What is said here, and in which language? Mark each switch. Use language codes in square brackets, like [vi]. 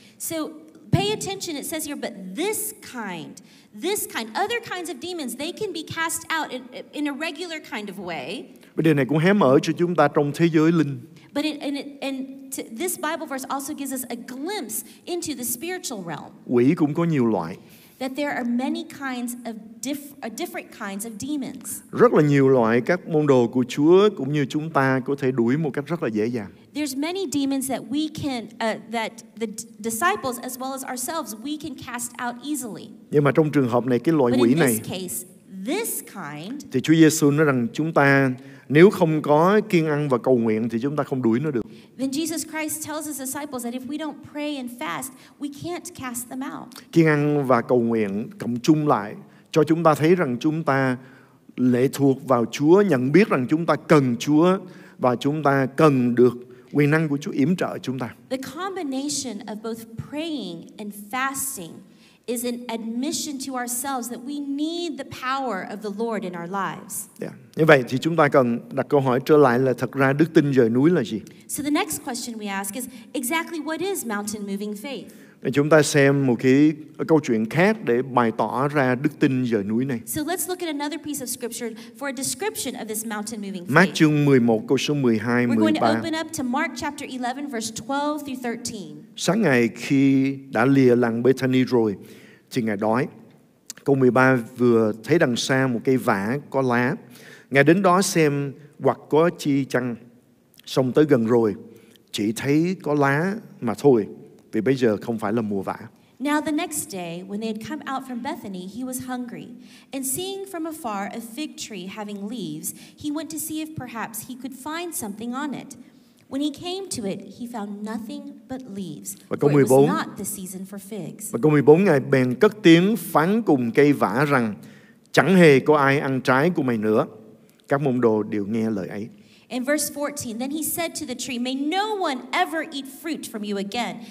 [en] So pay attention, it says here, but this kind, other kinds of demons, they can be cast out in a regular kind of way. [vi] Vấn đề này cũng hé mở cho chúng ta trong thế giới linh. [en] But this Bible verse also gives us a glimpse into the spiritual realm. [vi] Quỷ cũng có nhiều loại. [en] That there are many kinds of different kinds of demons. [vi] Rất là nhiều loại các môn đồ của Chúa cũng như chúng ta có thể đuổi một cách rất là dễ dàng. [en] There's many demons that we can that the disciples as well as ourselves we can cast out easily. [vi] Nhưng mà trong trường hợp này cái loại [en] but [vi] quỷ [en] in this [vi] này [en] case, this kind, [vi] thì Chúa Giêsu nói rằng chúng ta nếu không có kiêng ăn và cầu nguyện thì chúng ta không đuổi nó được. [en] Then Jesus Christ tells his disciples that if we don't pray and fast, we can't cast them out. [vi] Kiêng ăn và cầu nguyện cộng chung lại cho chúng ta thấy rằng chúng ta lệ thuộc vào Chúa, nhận biết rằng chúng ta cần Chúa và chúng ta cần được quyền năng của Chúa yểm trợ chúng ta. [en] The combination of both praying and fasting is an admission to ourselves that we need the power of the Lord in our lives. Yeah. [vi] Như vậy thì chúng ta cần đặt câu hỏi trở lại là thật ra đức tin dời núi là gì? [en] So the next question we ask is exactly what is mountain moving faith? [vi] Chúng ta xem một cái câu chuyện khác để bày tỏ ra đức tin dời núi này. [en] So let's look at another piece of scripture for a description of this mountain moving faith. [vi] Mark chương 11 câu số 12, 13. [en] We're going to open up to Mark chapter 11 verse 12 through 13. [vi] Sáng ngày khi đã lìa làng Bethany rồi, thì Ngài đói. Câu 13, vừa thấy đằng xa một cây vả có lá, Ngài đến đó xem hoặc có chi chăng. Xong tới gần rồi, chỉ thấy có lá mà thôi, vì bây giờ không phải là mùa vả. [en] Now the next day, when they had come out from Bethany, he was hungry. And seeing from afar a fig tree having leaves, he went to see if perhaps he could find something on it. When he came to it, he found nothing but leaves. [vi] Và câu 14, [en] for it was not the season for figs. [vi] Và câu 14, Ngài bèn cất tiếng phán cùng cây vả rằng, chẳng hề có ai ăn trái của mày nữa. Các môn đồ đều nghe lời ấy. [en] In verse 14, then he said to the tree, may no one ever eat fruit from you again.